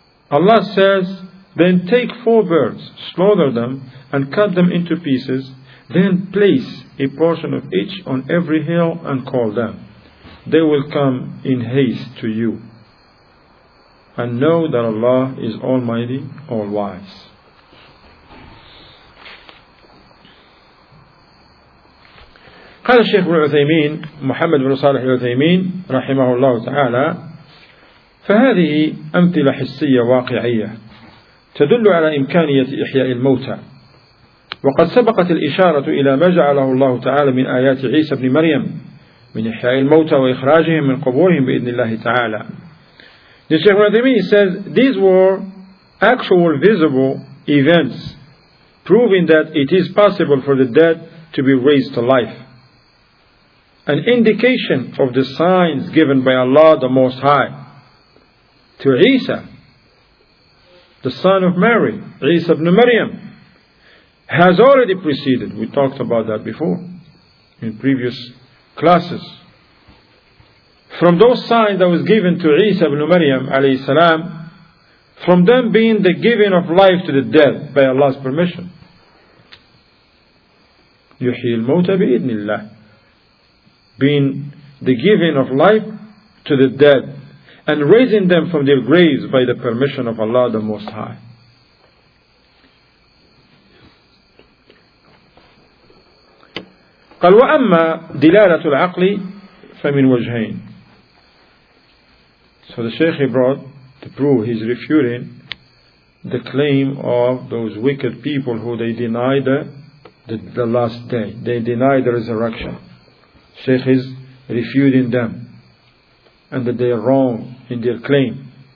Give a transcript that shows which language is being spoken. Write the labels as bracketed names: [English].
[English] Allah says, then take four birds, slaughter them, and cut them into pieces, then place a portion of each on every hill and call them. They will come in haste to you. And know that Allah is Almighty, All Wise. [Arabic] قال الشيخ بن عثيمين محمد بن صالح العثيمين رحمه الله تعالى فهذه أمثلة حسية واقعية تدل على إمكانية إحياء الموتى وقد سبقت الإشارة إلى ما جعله الله تعالى من آيات عيسى بن مريم من إحياء الموتى وإخراجهم من قبورهم بإذن الله تعالى. [English] The Sheikh Radimi says these were actual visible events proving that it is possible for the dead to be raised to life. An indication of the signs given by Allah the Most High to Isa, the son of Mary, Isa ibn Maryam, has already preceded. We talked about that before in previous classes. From those signs that was given to Isa ibn Maryam alayhi salam, from them being the giving of life to the dead by Allah's permission. [Arabic] يحيي الموتى بإذن الله. [English] Being the giving of life to the dead and raising them from their graves by the permission of Allah the Most High. [Arabic] قال وأما دلالة العقل فمن وجهين. [English] So the Shaykh he brought to prove he's refuting the claim of those wicked people who they deny the last day. They deny the resurrection. Shaykh is refuting them and that they are wrong in their claim.